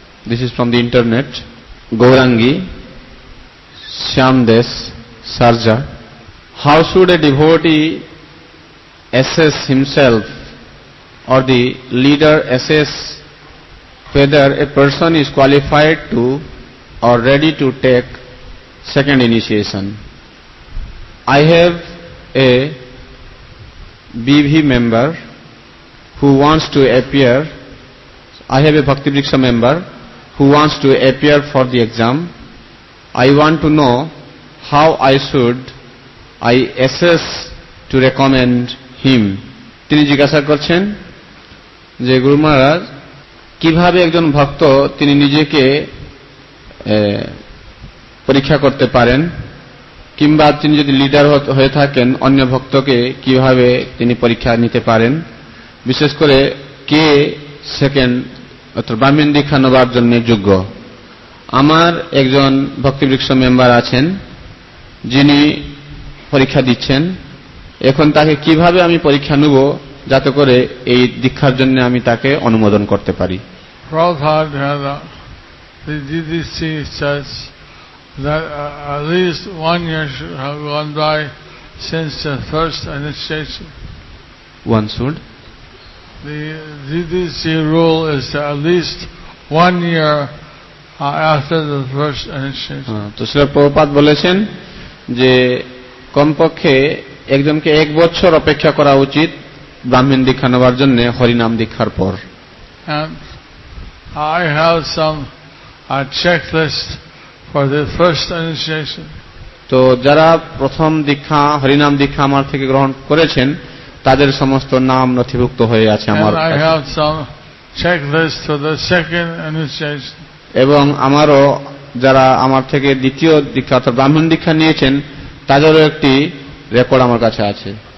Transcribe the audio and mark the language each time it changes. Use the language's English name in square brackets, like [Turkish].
[English] This is from the internet. Gaurangi Shyamdesh সার্জা, how should a devotee assess himself or the leader assess whether a person is qualified to or ready to take second initiation. I have a BV member who wants to appear. I have a Bhakti Vriksha member who wants to appear for the exam. I want to know how I assess to recommend him. [Bangla] Tini jigasa korchen je Guru Maharaj kibhabe ekjon bhakto tini nijeke পরীক্ষা করতে পারেন, কিংবা তিনি যদি leader হয়ে থাকেন অন্য ভক্তকে কিভাবে তিনি পরীক্ষা নিতে পারেন, বিশেষ করে কে সেকেন্ড অর্থাৎ ব্রাহ্মণ দীক্ষা নেবার জন্য যোগ্য। আমার একজন ভক্তিবৃক্ষ মেম্বার আছেন যিনি পরীক্ষা দিচ্ছেন, এখন তাকে কিভাবে আমি পরীক্ষা নেব যাতে করে এই দীক্ষার জন্য আমি তাকে অনুমোদন করতে পারি। [English] The GDC says that at least 1 year should have gone by since the first initiation. One should? The GDC rule is that at least 1 year after the first initiation. [Bangla] তো শ্রীলা প্রভুপাদ বলেছেন যে কমপক্ষে একজনকে এক বছর অপেক্ষা করা উচিত ব্রাহ্মণ দীক্ষা নেওয়ার জন্য হরিনাম দীক্ষার পর। [English] And I have some checklist for the first initiation. [Bangla] তো যারা প্রথম দীক্ষা হরিনাম দীক্ষা আমার থেকে গ্রহণ করেছেন তাদের সমস্ত নাম নথিভুক্ত হয়ে আছে আমার। [English] I have some checklist for the second initiation. [Bangla] এবং আমারও যারা আমার থেকে দ্বিতীয় দীক্ষা অর্থাৎ ব্রাহ্মণ দীক্ষা নিয়েছেন তাদেরও একটি রেকর্ড আমার কাছে আছে।